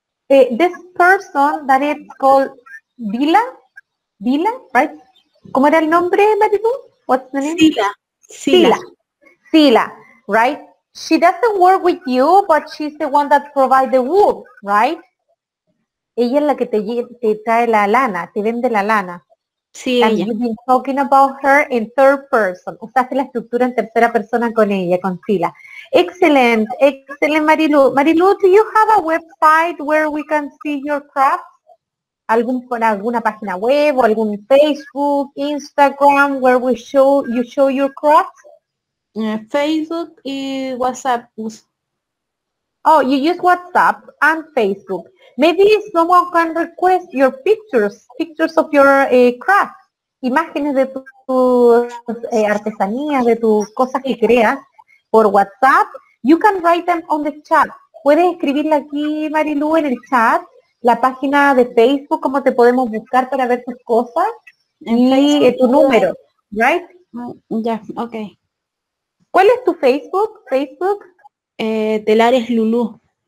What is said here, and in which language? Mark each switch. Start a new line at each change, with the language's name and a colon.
English: This person that is called Dila, Dila, right?
Spanish: ¿Cómo era el nombre, Marilu?
English: What's the name? Sila. Sila. Sila, right? She doesn't work with you, but she's the one that provides the wool, right?
Spanish: Ella es la que te trae la lana, te vende la lana. Sí, and ella.
English: You've been talking about her in third person.
Spanish: Usaste la estructura en tercera persona con ella, con Sila.
English: Excellent, excellent, Marilu. Marilu, do you have a website where we can see your craft?
Spanish: Alguna página web o algún Facebook, Instagram,
English: where we show you show your craft?
Spanish: Facebook y WhatsApp.
English: Oh, you use WhatsApp and Facebook. Maybe someone can request your pictures of your craft,
Spanish: imágenes de tus artesanías, de tus cosas que creas.
English: Por WhatsApp, you can write them on the chat.
Spanish: Puedes escribirle aquí, Marilu, en el chat, la página de Facebook, cómo te podemos buscar para ver tus cosas, tu número, right? Ya, yeah, okay. ¿Cuál es tu Facebook? Telares Lulu.